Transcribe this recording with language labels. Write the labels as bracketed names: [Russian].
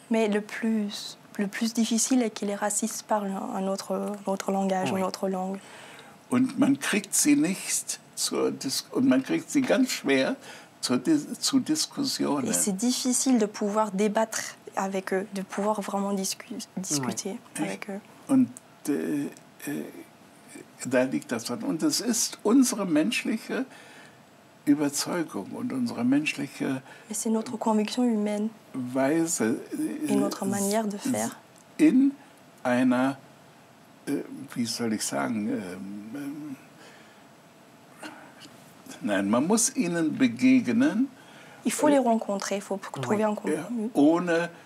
[French] Mais le plus difficile est que les racistes parlent un autre langage, une autre langue. [German] Und man kriegt sie nicht zur und man kriegt sie ganz schwer zu Diskussionen. [French] Et c'est difficile de pouvoir débattre avec eux, de pouvoir vraiment discuter avec eux. [German] Und da liegt das dran. Und es ist unsere menschliche Überzeugung und unsere menschliche Weise, [French] notre manière de faire. [German] In einer, wie soll ich sagen, nein, man muss ihnen begegnen, [French] il faut les rencontrer, faut trouver un compromis.